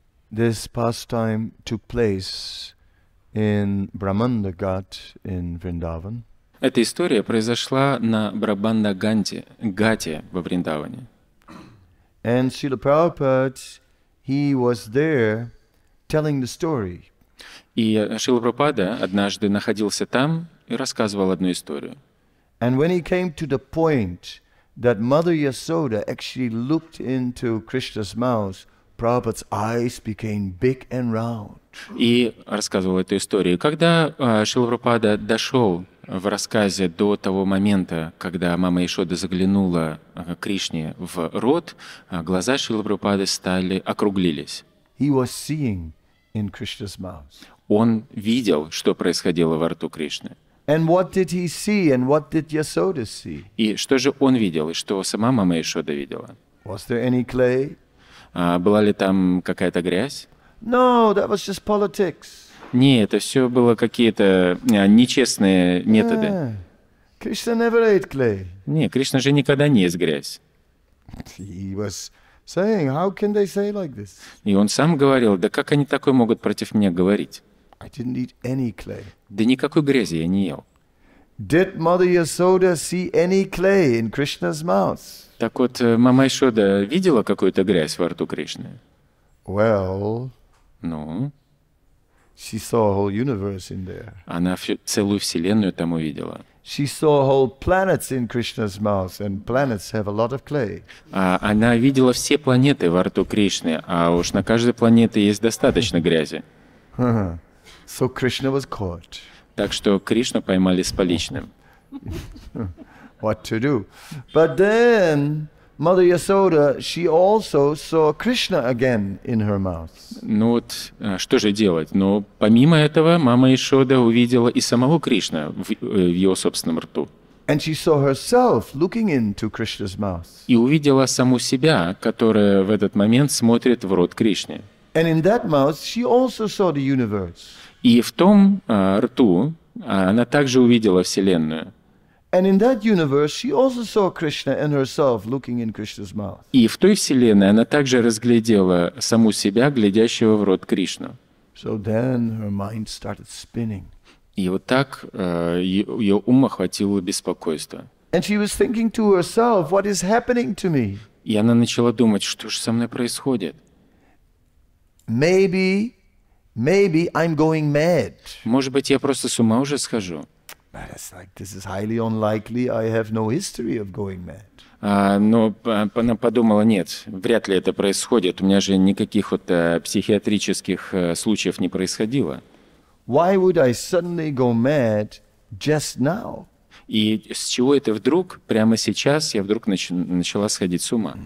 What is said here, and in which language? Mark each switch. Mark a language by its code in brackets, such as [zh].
[en] This pastime took place in Brahmandagat in Vrindavan. [ru] Эта история произошла на Брабандаганте, Гате во Вриндаване. [en] And Srila Prabhupada, he was there telling the story. [ru] И Шрила Прабхупада однажды находился там и рассказывал одну историю. [en] And when he came to the point that Mother Yasoda actually looked into Krishna's mouth, Prabhupada's eyes became big and round. [ru] И рассказывал эту историю. Когда Шрила Прабхупада дошел в рассказе до того момента, когда мама Яшода заглянула Кришне в рот, глаза Шрилы Прабхупады стали округлились. [en] He was seeing in Krishna's mouth. [ru] Он видел, что происходило во рту Кришны. [en] And what did he see, and what did Yasoda see? [ru] И что же он видел, и что сама мама Яшода видела? [en] Was there any clay? [ru] Была ли там какая-то грязь? [en] No, that was just politics. [ru] Нет, это все было какие-то нечестные методы. [en] Krishna never ate clay. [ru] Нет, Кришна же никогда не ест грязь. [en] He was saying, how can they say like this? [ru] И он сам говорил, да как они такое могут против меня говорить? [en] I didn't eat any clay. [ru] Да никакой грязи я не ел. [en] Did Mother Yasoda see any clay in Krishna's mouth? [ru] Так вот, мама Яшода видела какую-то грязь во рту Кришны? [en] Well, [ru] ну, [en] she saw a whole universe in there. [ru] Она целую вселенную там увидела. [en] She saw whole planets in Krishna's mouth, and planets have a lot of clay. [ru] Она видела все планеты во рту Кришны, а уж на каждой планете есть достаточно грязи. [en] So Krishna was caught. [ru] Так что Кришну поймали с поличным. [en] What to do? But then Mother Yasoda, she also saw Krishna again in her mouth. [ru] Ну вот, что же делать? Но помимо этого, мама Яшода увидела и самого Кришну в его собственном рту. [en] And she saw herself looking into Krishna's mouth. [ru] И увидела саму себя, которая в этот момент смотрит в рот Кришны. [en] And in that mouth she also saw the universe. [ru] И в том рту она также увидела Вселенную. [en] And in that universe, she also saw Krishna and herself looking in Krishna's mouth. [ru] И в той вселенной она также разглядела саму себя, глядящего в рот Кришну. [en] So then her mind started spinning. [ru] И вот так ее ум охватило беспокойство. [en] And she was thinking to herself, what is happening to me? [ru] И она начала думать, что же со мной происходит? [en] Maybe I'm going mad. [ru] Может быть, я просто с ума уже схожу? [en] But it's like, this is highly unlikely, I have no history of going mad. [ru] Но она подумала, нет, вряд ли это происходит, у меня же никаких вот психиатрических случаев не происходило. [en] Why would I suddenly go mad just now? [ru] И с чего это вдруг, прямо сейчас, я вдруг начала сходить с ума?